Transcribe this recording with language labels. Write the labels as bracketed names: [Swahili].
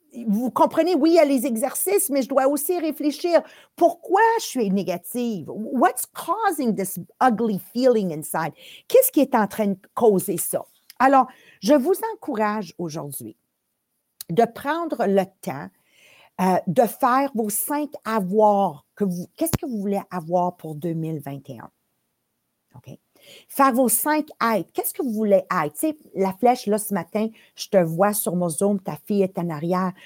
[French] Vous comprenez, oui, il y a les exercices, mais je dois aussi réfléchir. Pourquoi je suis négative? [English] What's causing this ugly feeling inside? [French] Qu'est-ce qui est en train de causer ça? Alors, je vous encourage aujourd'hui de prendre le temps de faire vos 5 avoirs. Qu'est-ce que vous voulez avoir pour 2021? OK? Faire vos 5 être. Qu'est-ce que vous voulez être? Tu sais, la flèche, là, ce matin, je te vois sur mon Zoom, ta fille est en arrière.